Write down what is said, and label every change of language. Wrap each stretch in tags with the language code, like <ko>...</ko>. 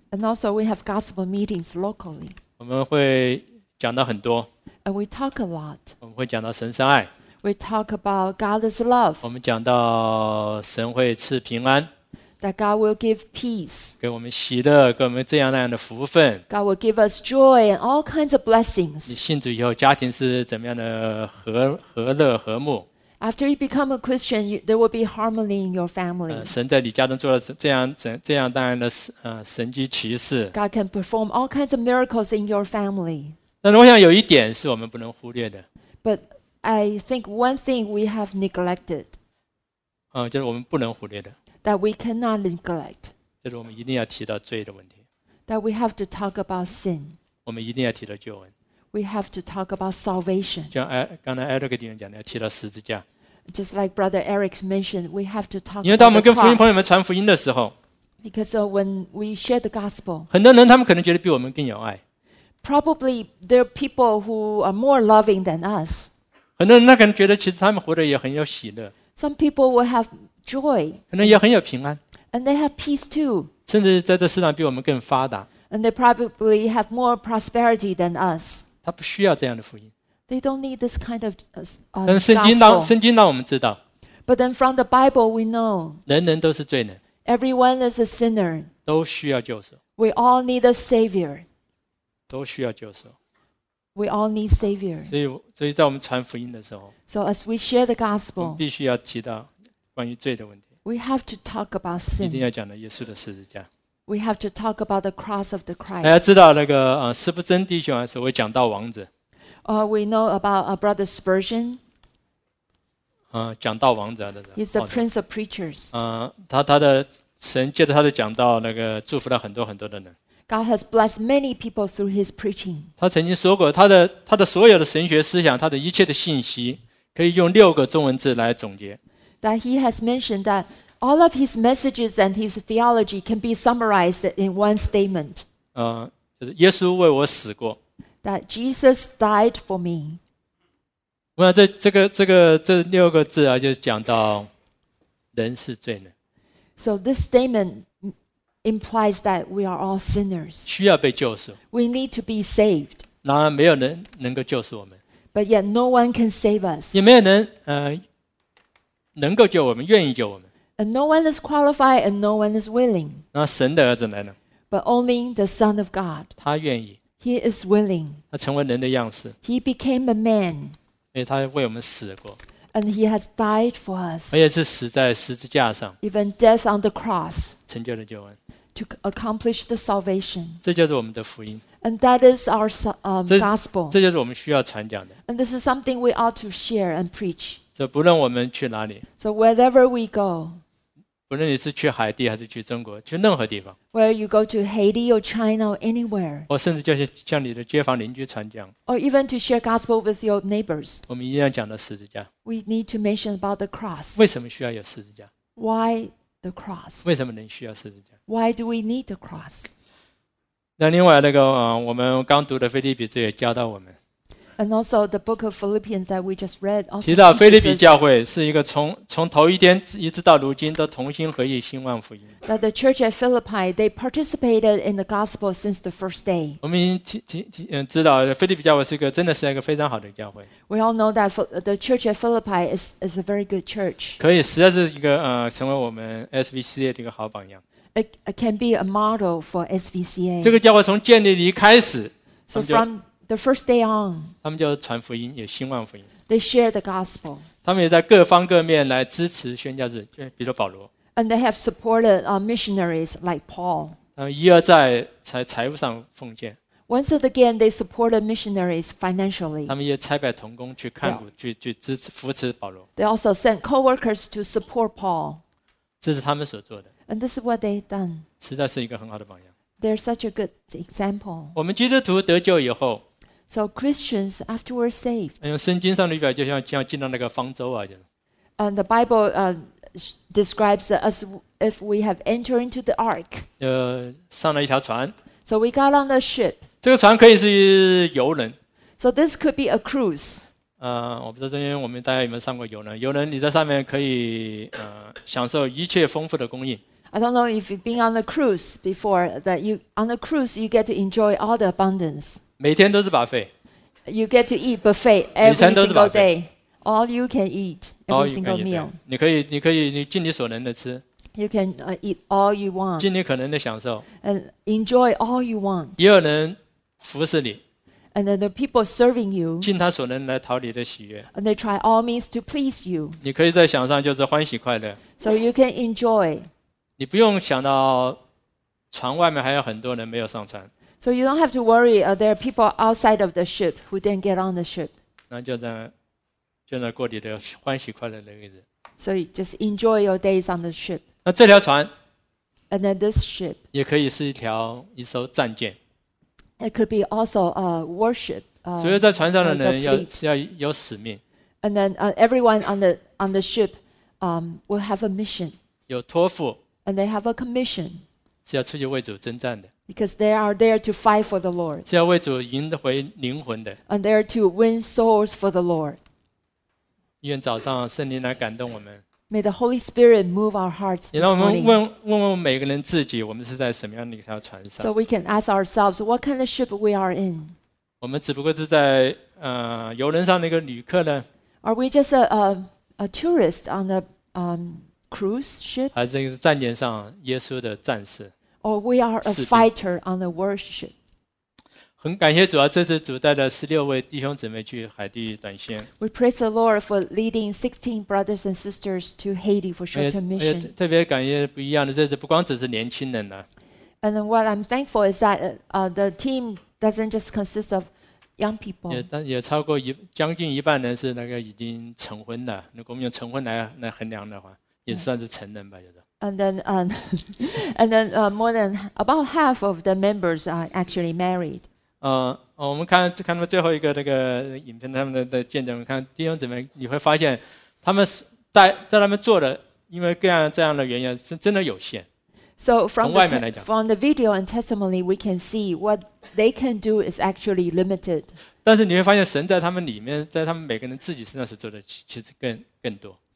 <en>And also, we have gospel meetings locally.</en> <zh>我们会讲到很多。</zh> <en>And we talk a lot.</en> <zh>我们会讲到神是爱。</zh> <en>We talk about God's love.</en> <zh>我们讲到神会赐平安。</zh> <en>That God will give peace.</en> <zh>给我们喜乐，给我们这样那样的福分。</zh> <en>God will give us joy and all kinds of blessings.</en> <zh>你信主以后，家庭是怎么样的和乐和睦？</zh> <en>After you become a Christian, there will be harmony in your family.</en> <zh>神在你家中做了这样当然的神迹奇事。</zh> <en>God can perform all kinds of miracles in your family.</en> <zh>但是我想有一点是我们不能忽略的。</zh> <en>But I think one thing we have neglected.</en> <zh>就是我们不能忽略的。</zh> <en>That we cannot neglect.</en> <zh>就是我们一定要提到罪的问题。</zh> <en>That we have to talk about sin.</en> <zh>我们一定要提到救恩。</zh> <en>We have to talk about salvation.</en> <zh>像刚才 Eric 弟兄讲的，要提到十字架。</zh> <en>Just like Brother Eric mentioned, we have to talk.</en> <zh>因为当我们跟福音朋友们传福音的时候</zh> <en>，because when we share the gospel,</en> <zh>很多人他们可能觉得比我们更有爱。</zh> <en>Probably there are people who are more loving than us.</en> <zh>很多人他可能觉得其实他们活得也很有喜乐。</zh> <en>Some people will have joy.</en> <zh>可能也很有平安。</zh> <en>And they have peace too.</en> <zh>甚至在这世上比我们更发达。</zh> <en>And they probably have more prosperity than us.</en> <zh>他不需要这样的福音。</zh> <en>They don't need this kind of gospel.</en> <zh>但圣经让我们知道。</zh> <en>But then from the Bible we know.</en> <zh>人人都是罪人。</zh> <en>Everyone is a sinner.</en> <zh>都需要救赎。</zh> <en>We all need a savior.</en> <zh>都需要救赎。</zh> <en>We all need savior.</en> <zh>所以在我们传福音的时候。</zh> <en>So as we share the gospel.</en> <zh>必须要提到关于罪的问题。</zh> <en>We have to talk about sin.</en> <zh>一定要讲到耶稣的十字架。</zh> <en>We have to talk about the cross of the Christ.</en> <zh>大家知道那个斯布珍弟兄所谓讲道王子。</zh> <en>We know about Brother Spurgeon.</en> <zh>讲道王子的。</zh> <en>He's the prince of preachers.</en> <zh>他的神借着他的讲道那个祝福了很多很多的人。</zh> <en>God has blessed many people through his preaching.</en> <zh>他曾经说过他的所有的神学思想，他的一切的信息，可以用六个中文字来总结。</zh> <en>That he has mentioned that. All of his messages and his theology can be summarized in one statement.</en> <zh>就是耶稣为我死过。</zh> <en>That Jesus died for me.</en> <zh>我想这六个字啊，就讲到人是罪人。</zh> <en>So this statement implies that we are all sinners.</en> <zh>需要被救赎。</zh> <en>We need to be saved.</en> <zh>然而没有人能够救赎我们。</zh> <en>But yet no one can save us.</en> <zh>也没有人能够救我们，愿意救我们。</zh> <en>And no one is qualified and no one is willing.</en> <zh>那神的儿子来呢？</zh> <en>But only the Son of God.</en> <zh>他愿意。</zh> <en>He is willing.</en> <zh>他成为人的样式。</zh> <en>He became a man.</en> <zh>因为他为我们死过。</zh> <en>And he has died for us.</en> <zh>而且是死在十字架上。</zh> <en>Even death on the cross.</en> <zh>成就了救恩。</zh> <en>To accomplish the salvation.</en> <zh>这就是我们的福音。</zh> <en>And that is our gospel.</en> <zh>这就是我们需要传讲的。</zh> <en>And this is something we ought to share and preach.</en> <zh>所以不论我们去哪里</zh> <en>，So wherever we go，</en> <zh>不论你是去海地还是去中国，去任何地方</zh> <en>，Where you go to Haiti or China or anywhere，</en> <zh>或甚至就是向你的街坊邻居传讲</zh> <en>，Or even to share gospel with your neighbors，</en> <zh>我们一定要讲到十字架。</zh> <en>We need to mention about the cross。</en> <zh>为什么需要有十字架</zh> <en>？Why the cross？</en> <zh>为什么人需要十字架</zh> <en>？Why do we need the cross？</en> <zh>那另外那个我们刚读的腓立比这也教导我们。</zh> <en>And also the book of Philippians that we just read.</en> <zh>提到腓立比教会是一个从头一天一直到如今都同心合意兴旺福音。</zh> <en>That the church at Philippi they participated in the gospel since the first day.</en> <zh>我们知道腓立比教会是一个真的是一个非常好的教会。</zh> <en>We all know that the church at Philippi is a very good church.</en> <zh>可以实在是一个成为我们 SVC 的一个好榜样。</zh> <en>It can be a model for SVCA.</en> <zh>这个教会从建立的一开始</zh> <en>，So from the first day on，</en> <zh>他们就传福音，也兴旺福音。</zh> <en>They share the gospel.</en> <zh>他们也在各方各面来支持宣教士，比如保罗。</zh> <en>And they have supported missionaries like Paul.</en> <zh>一而再在财务上奉献。</zh> <en>Once again, they supported missionaries financially.</en> <zh>他们也差派同工去看顾、去支持扶持保罗。</zh> <en>They also sent co-workers to support Paul.</en> <zh>这是他们所做的。</zh> <en>And this is what they've done.</en> <zh>实在是一个很好的榜样。</zh> <en>They're such a good example.</en> <zh>我们基督徒得救以后</zh> <en>，So Christians after we're saved.</en> <zh>用圣经上的比喻，就像进到那个方舟啊，就是。</zh> <en>And the Bible describes us if we have entered into the ark.</en> <zh>上了一条船。</zh> <en>So we got on the ship.</en> <zh>这个船可以是游轮。</zh> <en>So this could be a cruise.</en> <zh>我不知道这边我们大家有没有上过游轮？游轮你在上面可以享受一切丰富的供应。</zh> <en>I don't know if you've been on a cruise before, but you on a cruise you get to enjoy all the abundance.</en> <zh>每天都是 buffet.</zh> <en>You get to eat buffet every single day. All you can eat every single meal.</en> <zh>你可以你尽你所能的吃。</zh> <en>You can eat all you want.</en> <zh>尽你可能的享受。</zh> <en>And enjoy all you want.</en> <zh>也有人服侍你。</zh> <en>And then the people serving you.</en> <zh>尽他所能来讨你的喜悦。</zh> <en>And they try all means to please you.</en> <zh>你可以在享上就是欢喜快乐。</zh> <en>So you can enjoy.</en> <zh>你不用想到船外面还有很多人没有上船。</zh> <en>So you don't have to worry. There are people outside of the ship who didn't get on the ship.</en> <zh>那就在过你的欢喜快乐的日子。</zh> <en>So you just enjoy your days on the ship.</en> <zh>那这条船</zh> <en>，and then this ship</en> <zh>也可以是一艘战舰。</zh> <en>It could be also a warship.</en> <zh>所以在船上的人要有使命。</zh> <en>And then everyone on the ship will have a mission.</en> <zh>有托付。</zh> <en>And they have a commission.</en> <zh>是要出去为主征战的。</zh> <en>Because they are there to fight for the Lord.</en> <zh>是要为主赢回灵魂的。</zh> <en>And they are to win souls for the Lord.</en> <zh>愿早上圣灵来感动我们。</zh> <en>May the Holy Spirit move our hearts this morning.</en> <zh>也让我们问每个人自己，我们是在什么样的一条船上</zh> <en>？So we can ask ourselves what kind of ship we are in.</en> <zh>我们只不过是在游轮上的一个旅客呢</zh> <en>？Are we just a tourist on the cruise ship，</en> <zh>还是战舰上耶稣的战士</zh> <en>？Or we are a fighter on the warship。</en> <zh>很感谢主啊，这次主带着16位弟兄姊妹去海地短宣。</zh> <en>We praise the Lord for leading 16 brothers and sisters to Haiti for short-term mission。</en> <zh>特别感谢不一样的，这次不光只是年轻人了。</zh> <en>And what I'm thankful is that the team doesn't just consist of young people。</en> <zh>也超过将近一半人是那个已经成婚的。如果我们用成婚来衡量的话。也算是成人吧，就是。</zh> <en>And then more than about half of the members are actually married.</en> <zh>我们看他们最后一个那个影片，他们的见证，看弟兄姊妹，你会发现，他们在他们做的，因为这样的原因，是真的有限。</zh> <en>So from the video and testimony, we can see what they can do is actually limited.</en> <zh>但是你会发现，神在他们里面，在他们每个人自己身上是做的，其实更多。</zh>